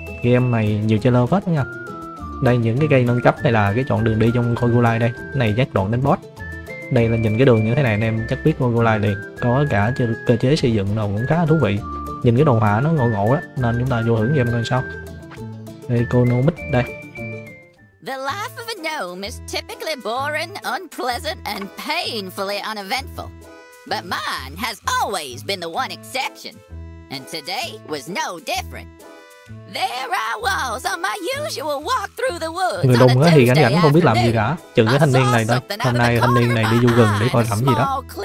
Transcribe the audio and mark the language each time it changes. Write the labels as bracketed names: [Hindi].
[Vietnamese] Game này nhiều trailer phết nha. Đây, những cái cây nâng cấp này là cái chọn đường đi trong con Gulai đây. Cái này dắt đoạn đến boss. Đây là nhìn cái đường như thế này anh em chắc biết con Gulai liền. Có cả cơ chế xây dựng nào cũng khá là thú vị. Nhìn cái đồ họa nó ngộ ngộ á, nên chúng ta vô thử game coi sao. Đây, Konomic đây. [English] The life of a gnome is typically boring, unpleasant, and painfully uneventful. But mine has always been the one exception. And today was no different. There I was on my usual walk through the woods. [Vietnamese] Người đồng á thì gánh gánh không biết làm gì cả. Chừng cái thanh niên này đây. Hôm nay thanh niên này đi du rừng để coi thẩm gì đó.